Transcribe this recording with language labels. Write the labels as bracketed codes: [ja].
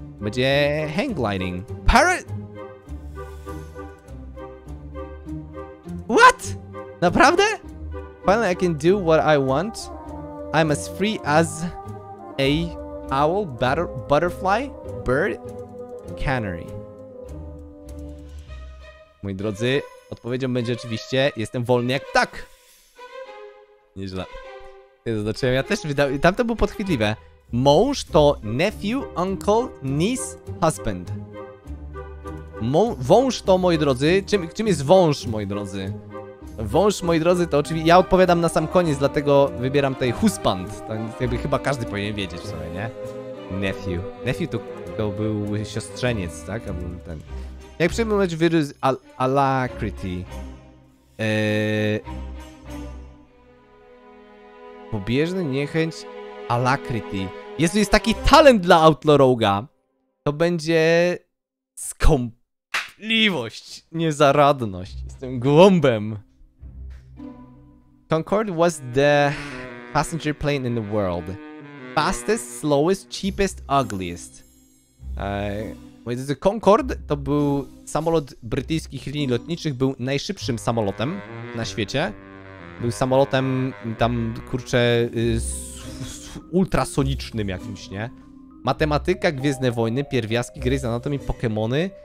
[pl] Będzie hang gliding. [en] What? Naprawdę? Finally I can do what I want. I'm as free as a owl, butterfly. Bird? Canary. [pl] Moi drodzy, odpowiedzią będzie oczywiście, jestem wolny jak ptak. Nieźle. Nie zobaczyłem, ja też wydałem, tamto było podchwytliwe. Mąż to [en] nephew, uncle, niece, husband. [pl] Wąż to, moi drodzy, czym jest wąż, moi drodzy? Wąż, moi drodzy, to oczywiście, ja odpowiadam na sam koniec, dlatego wybieram tutaj husband. To jakby chyba każdy powinien wiedzieć w sumie, nie? Nephew. Nephew to był siostrzeniec, tak? A był ten. Jak przyjmować wirus Alacrity? Pobieżny niechęć Alacrity. Jezu, jest taki talent dla Outlaw Rogue'a. To będzie skąpliwość, niezaradność. Jestem głąbem. [en] Concord was the passenger plane in the world. Fastest, slowest, cheapest, ugliest. [pl] Moi drodzy, Concorde to był samolot brytyjskich linii lotniczych, był najszybszym samolotem na świecie. Był samolotem tam, kurczę, ultrasonicznym jakimś, nie? Matematyka, Gwiezdne Wojny, Pierwiastki, Grey's Anatomy, Pokémony.